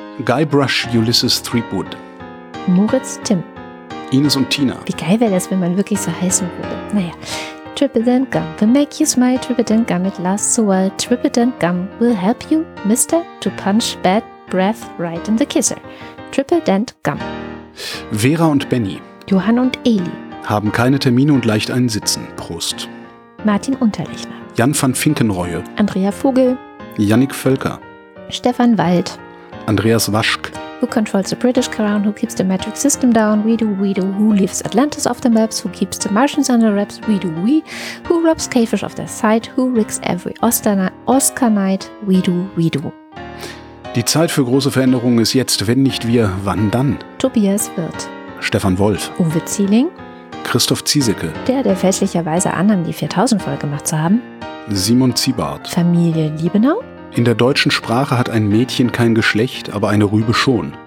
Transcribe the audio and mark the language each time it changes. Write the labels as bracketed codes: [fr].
[de] Guybrush Ulysses Threepwood. Moritz Timm. Ines und Tina. Wie geil wäre das, wenn man wirklich so heißen würde. [en] Naja. Trippident Gum will make you smile. Trippident Gum it lasts so well. Trippident Gum will help you, mister, to punch bad breath right in the kisser. Trippident Gum. [de] Vera und Benny. Johann und Eli. Haben keine Termine und leicht einen Sitzen. Prost. Martin Unterlechner. Jan van Finkenreue. Andrea Vogel. Yannick Völker. Stefan Wald. Andreas Waschk. [en] Who controls the British crown? Who keeps the metric system down? We do, who leaves Atlantis off the maps? Who keeps the Martians under wraps? We do, we. Who robs Cavish of their sight? Who rigs every Oscar night? We do, we do. [de] Die Zeit für große Veränderungen ist jetzt, wenn nicht wir, wann dann? Tobias Wirth. Stefan Wolf. Uwe Zieling. Christoph Ziesecke. Der fälschlicherweise annahm, die 4000-Folge gemacht zu haben. Simon Ziebart. Familie Liebenau. In der deutschen Sprache hat ein Mädchen kein Geschlecht, aber eine Rübe schon.